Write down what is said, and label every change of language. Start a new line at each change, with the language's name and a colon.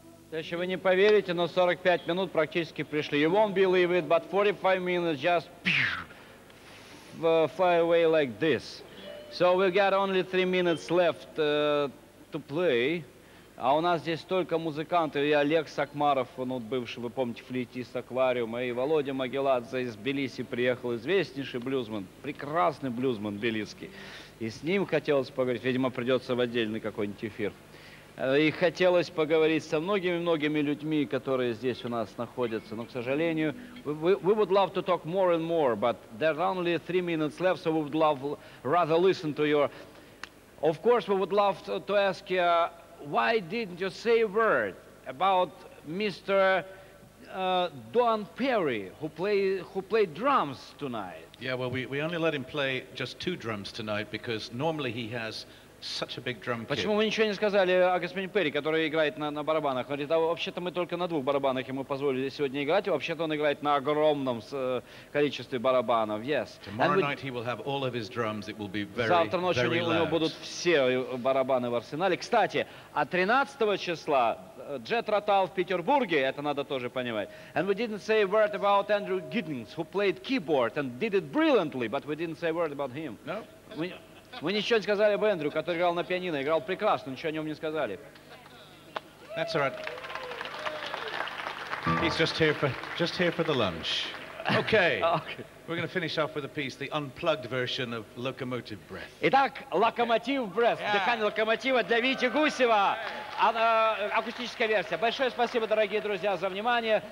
Russian: Если вы не поверите, но 45 минут практически пришли.
English: You won't believe it, but 45 minutes just fly away like this. So we got only 3 minutes left to play.
Russian: А у нас здесь только музыканты. И Олег Сакмаров, он вот бывший, вы помните, флейтист аквариума. И Володя Могиладзе из Тбилиси приехал. Известнейший блюзмен, прекрасный блюзмен тбилисский. И с ним хотелось поговорить. Видимо, придется в отдельный какой-нибудь эфир. И хотелось поговорить со многими-многими людьми, которые здесь у нас находятся. Но, к сожалению,
English: we would love to talk more and more, but there are only 3 minutes left, so we would love rather listen to your... Of course, we would love to ask you, why didn't you say a word about Mr. Don Perry, who played drums tonight? Yeah, well, we only let him play just 2 drums tonight, because normally he has... such a big drum kit.
Russian: Почему вы ничего не сказали о господине Перри, который играет на барабанах? Он говорит, а вообще-то мы только на двух барабанах ему позволили сегодня играть, вообще-то он играет на огромном количестве барабанов.
English: Yes. Tomorrow night he will have all of his drums. It will be very,
Russian: Завтра ночью у него будут все барабаны в арсенале. Кстати, а 13 числа Jethro Tull в Петербурге, это надо тоже понимать.
English: And we didn't say a word about Andrew Giddings, who played keyboard and did it brilliantly, but we didn't say a word about him. No.
Russian: Мы ничего не сказали об Эндрю, который играл на пианино, играл прекрасно, ничего о нем не сказали.
English: That's all right. He's just here for the lunch. Okay. Okay. We're going to finish off with a piece, the unplugged version of Locomotive Breath.
Russian: Итак, Locomotive Breath, yeah. Дыхание локомотива для Вити Гусева. Акустическая версия. Большое спасибо, дорогие друзья, за внимание.